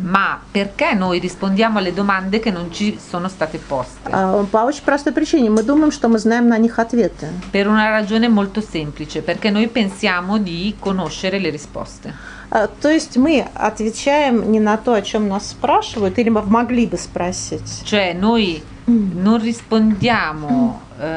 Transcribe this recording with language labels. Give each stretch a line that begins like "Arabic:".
Italian: Ma perché noi rispondiamo alle domande che non ci sono state poste?
Russian: По очень простой причине. Мы думаем, что мы знаем на них ответы.
Italian: Per una ragione molto semplice, perché noi pensiamo di conoscere le risposte.
Russian: То есть мы отвечаем не на то, о чем нас спрашивают, или мы могли бы спросить.
Italian: Cioè noi non rispondiamo.